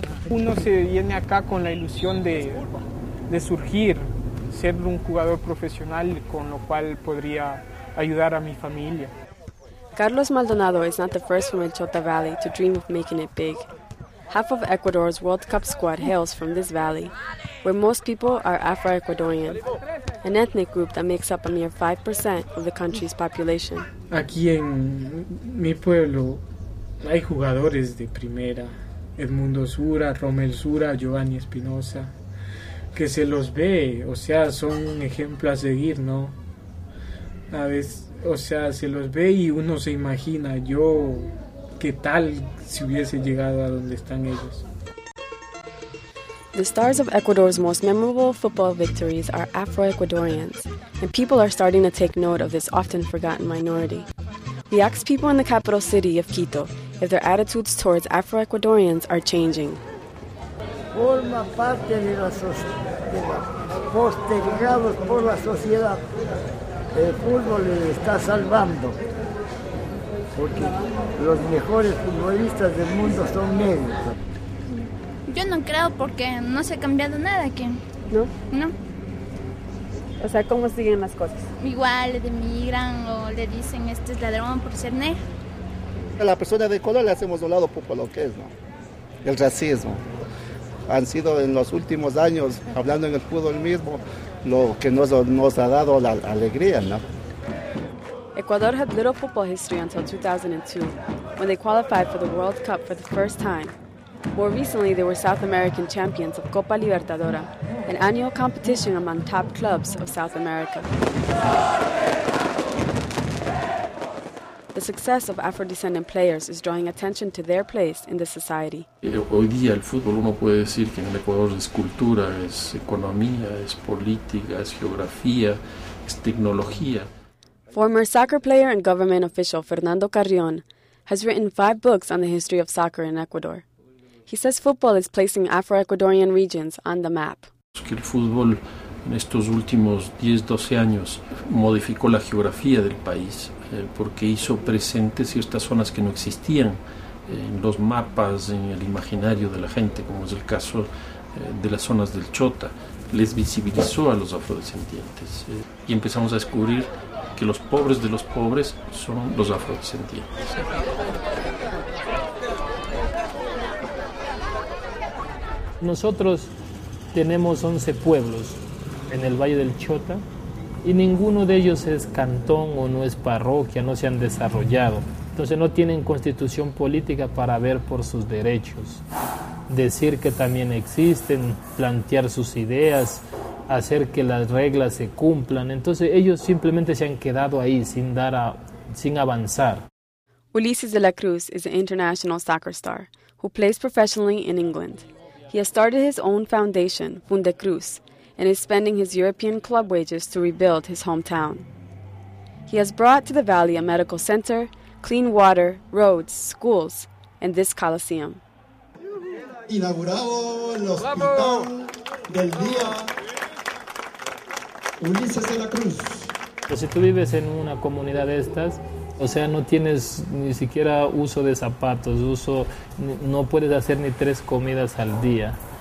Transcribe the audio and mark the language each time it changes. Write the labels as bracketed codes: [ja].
[es] Uno se viene acá con la ilusión de surgir, ser un jugador profesional con lo cual podría ayudar a mi familia. [en] Carlos Maldonado is not the first from El Chota Valley to dream of making it big. Half of Ecuador's World Cup squad hails from this valley, where most people are Afro-Ecuadorian, an ethnic group that makes up a mere 5% of the country's population. [es] Aquí en mi pueblo hay jugadores de primera, Edmundo Sura, Romel Sura, Giovanni Espinosa. Que se los ve, o sea, son un ejemplo a seguir, ¿no? A veces, o sea, se los ve y uno se imagina, yo, ¿qué tal si hubiese llegado a donde están ellos? [en] The stars of Ecuador's most memorable football victories are Afro-Ecuadorians, and people are starting to take note of this often forgotten minority. We asked people in the capital city of Quito if their attitudes towards Afro-Ecuadorians are changing. [es] Forma parte de la sociedad. postergados por la sociedad, el fútbol les está salvando, porque los mejores futbolistas del mundo son negros. Yo no creo, porque no se ha cambiado nada aquí. ¿No? No. O sea, ¿cómo siguen las cosas? Igual, le demigran o le dicen, este es ladrón por ser negro. A la persona de color le hacemos de un lado por lo que es, ¿no? El racismo. Han sido en los últimos años, hablando en el fútbol mismo, lo que nos ha dado la alegría, ¿no? [en] Ecuador had little football history until 2002, when they qualified for the World Cup for the first time. More recently, they were South American champions of Copa Libertadora, an annual competition among top clubs of South America. The success of Afro-descendant players is drawing attention to their place in the society. [es] Hoy día el fútbol, uno puede decir que en el Ecuador es cultura, es economía, es política, es geografía, es tecnología. [en] Former soccer player and government official Fernando Carrión has written 5 books on the history of soccer in Ecuador. He says football is placing Afro-Ecuadorian regions on the map. [es] El fútbol en estos últimos 10-12 años modificó la geografía del país, porque hizo presentes ciertas zonas que no existían en los mapas, en el imaginario de la gente, como es el caso de las zonas del Chota. Les visibilizó a los afrodescendientes y empezamos a descubrir que los pobres de los pobres son los afrodescendientes. Nosotros tenemos 11 pueblos en el Valle del Chota y ninguno de ellos es cantón o no es parroquia, no se han desarrollado. Entonces no tienen constitución política para ver por sus derechos, decir que también existen, plantear sus ideas, hacer que las reglas se cumplan. Entonces ellos simplemente se han quedado ahí sin avanzar. [en] Ulises de la Cruz is an international soccer star who plays professionally in England. He has started his own foundation, Fundecruz, and is spending his European club wages to rebuild his hometown. He has brought to the valley a medical center, clean water, roads, schools, and this coliseum. [es] Inaugurado el hospital del día Ulises de la Cruz. Pues si tú vives en una comunidad de estas, o sea, no tienes ni siquiera uso de zapatos, no puedes hacer ni 3 comidas al día.